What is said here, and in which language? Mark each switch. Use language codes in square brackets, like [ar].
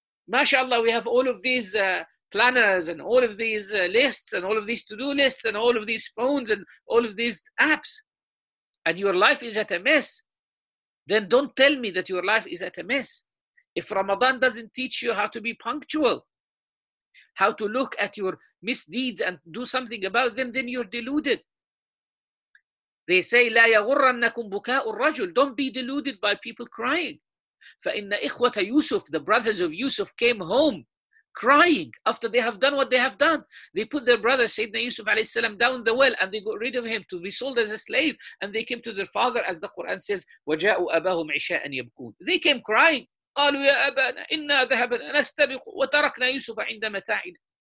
[en] MashaAllah, we have all of these planners and all of these lists and all of these to-do lists and all of these phones and all of these apps. And your life is at a mess. Then don't tell me that your life is at a mess. If Ramadan doesn't teach you how to be punctual, how to look at your misdeeds and do something about them, then you're deluded. They say, [ar] لا يغرنكم بكاء الرجل. [en] Don't be deluded by people crying. [ar] فَإِنَّ إِخْوَةَ يُوسُفْ, [en] the brothers of Yusuf came home crying after they have done what they have done. They put their brother, Sayyidina Yusuf alayhi salam, down the well and they got rid of him to be sold as a slave. And they came to their father, as the Quran says, [ar] وَجَاءُ أَبَاهُمْ عِشَاءً يَبْكُونَ. [en] They came crying. [ar] قالوا يا أبانا إنا ذهبنا نستبق وتركنا يوسف عند متاعنا.